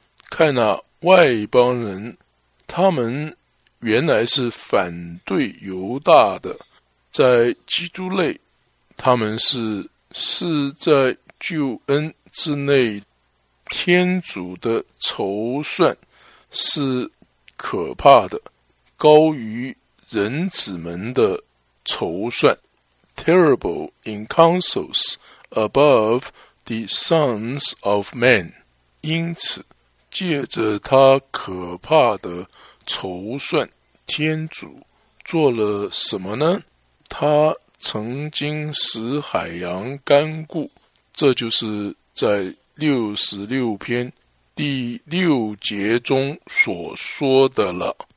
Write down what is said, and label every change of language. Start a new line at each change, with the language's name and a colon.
Chinese: 看啊，外邦人，他们原来是反对犹大的，在基督内，他们是在救恩之内。天主的筹算是可怕的，高于人子们的筹算。
English: Terrible in counsels above the sons of men.
Chinese: 因此借着他可怕的筹算，天主做了什么呢？他曾经使海洋干固，这就是在66篇第6节中所说的了。